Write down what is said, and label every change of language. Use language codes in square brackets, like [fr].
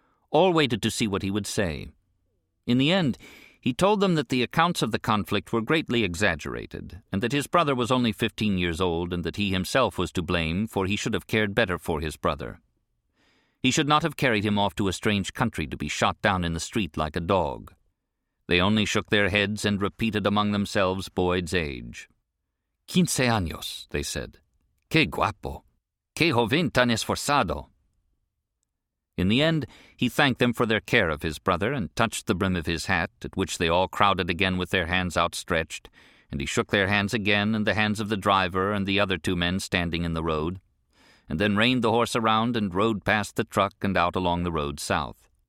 [en] All waited to see what he would say. In the end, he told them that the accounts of the conflict were greatly exaggerated, and that his brother was only 15 years old, and that he himself was to blame, for he should have cared better for his brother. He should not have carried him off to a strange country to be shot down in the street like a dog. They only shook their heads and repeated among themselves Boyd's age. [es] 15 años, [en] they said. [es] Qué guapo! Qué joven tan esforzado! [en] In the end, he thanked them for their care of his brother and touched the brim of his hat, at which they all crowded again with their hands outstretched, and he shook their hands again and the hands of the driver and the other two men standing in the road, and then reined the horse around and rode past the truck and out along the road south.